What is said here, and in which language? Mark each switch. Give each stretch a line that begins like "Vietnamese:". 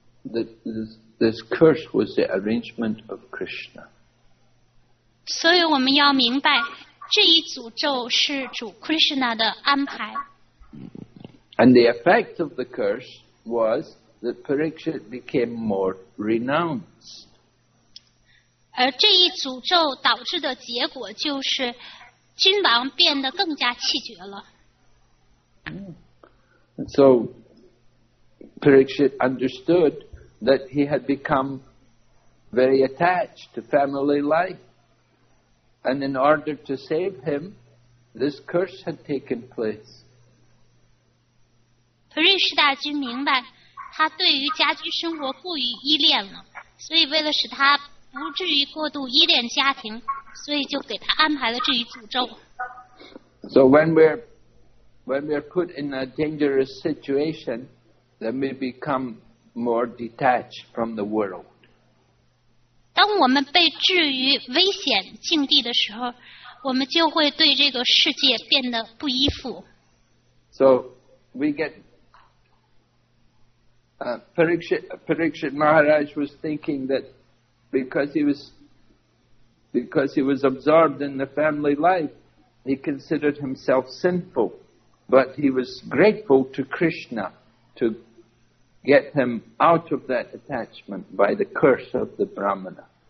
English: That this curse was the arrangement of Krishna.
Chinese: 所以我们要明白，这一诅咒是主 Krishna 的安排。
English: And the effect of the curse was that Parikshit became more renounced.
Chinese: 而这一诅咒导致的结果就是，君王变得更加气绝了。
English: So Parikshit understood. That he had become very attached to family life. And in order to save him, this curse had taken place.
Chinese: Parikshit 大君明白他对于家居生活过于依恋了，所以为了使他不至于过度依恋家庭，所以就给他安排了这一诅咒。
English: So when we're put in a dangerous situation, then we becomemore detached from the world.
Chinese: 当我们被置于危险境地的时候，我们就会对这个世界变得不依附。
English: So we get Parikshit Maharaj was thinking that because he was absorbed in the family life, he considered himself sinful, but he was grateful to Krishna to get him out of that attachment by the curse of the Brahmana.